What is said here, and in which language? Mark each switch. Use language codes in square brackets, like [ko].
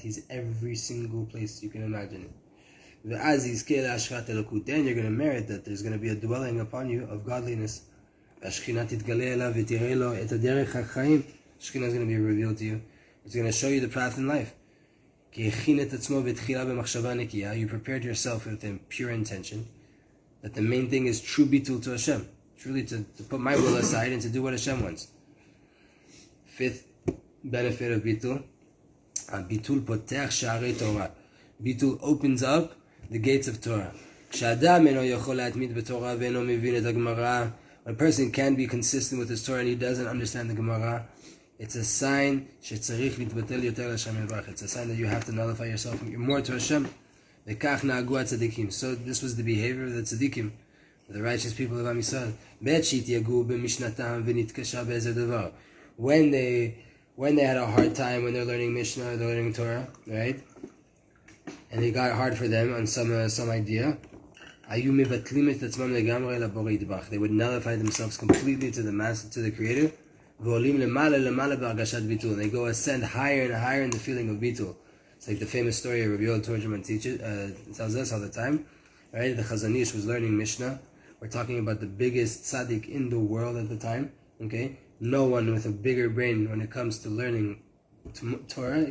[en] He's every single place you can imagine it. Then you're going to merit that there's going to be a dwelling upon you of godliness. [he] השכינה תתגלה אליו ותראה לו את הדרך החיים. [en] השכינה is going to be revealed to you. It's going to show you the path in life. [he] כי הכין את עצמו בתחילה במחשבה נקייה. [en] You prepared yourself with a pure intention. That the main thing is true ביטול to Hashem. Truly to put my will aside and to do what Hashem wants. Fifth benefit of ביטול. [he] הביטול פותח שערי תורה. [en] ביטול opens up the gates of Torah. [he] כשאדם אינו יכול להתמיד בתורה ואינו מבין את הגמרא, [en] a person can be consistent with his Torah and he doesn't understand the Gemara, it's a sign [he] שצריך להתבטל יותר לשם יברך. [en] It's a sign that you have to nullify yourself more to Hashem. [he] וכך נהגו הצדיקים. [en] So this was the behavior of the tzadikim, the righteous people of Am Yisrael. [he] בעת שהתייגו במשנתם ונתקשה באיזה דבר. [en] When they had a hard time when they're learning Mishnah, they're learning Torah, right? And it got hard for them on some idea. [he] היו מבטלים את עצמם לגמרי לבורא יתברך. [en] They would nullify themselves completely to the master, to the creator. [he] ועולים למעלה למעלה בהרגשת ביטול. [en] They go ascend higher and higher in the feeling of ביטול. It's like the famous story of Rabbi Yehuda Torgerman tells us all the time. Right? The Chazanish was learning Mishnah. We're talking about the biggest tzaddik in the world at the time. Okay? No one with a bigger brain when it comes to learning Torah.